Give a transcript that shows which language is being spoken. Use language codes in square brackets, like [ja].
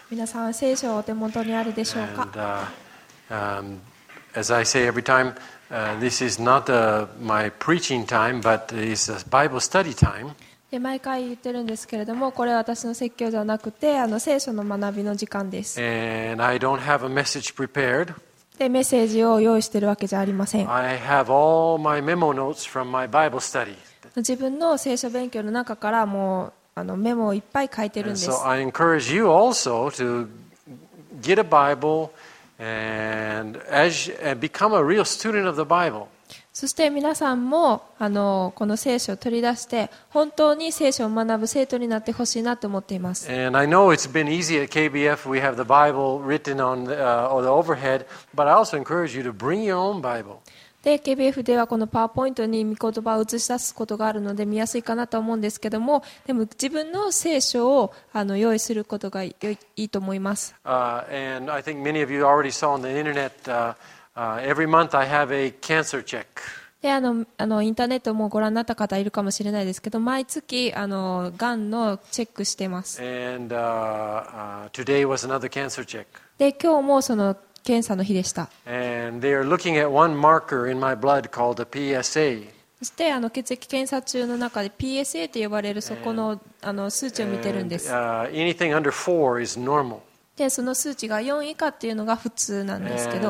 [ja] 皆さん聖書をお手元にあるでしょうか。 [en] And, as I say every time, this is not my preaching time, but it's a Bible study time. [ja] で毎回言ってるんですけれども、これは私の説教じゃなくて、聖書の学びの時間です。 [en] And I don't have a message prepared. [ja] でメッセージを用意してるわけじゃありません。 [en] I have all my memo notes from my Bible study. [ja] 自分の聖書勉強の中からもうメモをいっぱい書いてるんです。 [en] And so I encourage you also to get a Bible and become a real student of the Bible. [ja] そして皆さんもこの聖書を取り出して本当に聖書を学ぶ生徒になってほしいなと思っています。 [en] And I know it's been easy at KBF. We have the Bible written on the overhead, but I also encourage you to bring your own Bible. [ja] で KBF ではこのパワーポイントに御言葉を映し出すことがあるので見やすいかなと思うんですけども、でも自分の聖書を用意することがいいと思います。 [en] And I think many of you already saw on the internet every month I have a cancer check. [ja] で、インターネットもご覧になった方いるかもしれないですけど、毎月がんのチェックしてます。 [en] And today was another cancer check. [ja] で、今日もその検査の日でした。 [en] And they are looking at one marker in my blood called a PSA. [ja] そして血液検査中の中で PSA と呼ばれるそこの数値を見てるんです。 [en] And anything under 4 is normal. [ja] でその数値が4以下っていうのが普通なんですけど、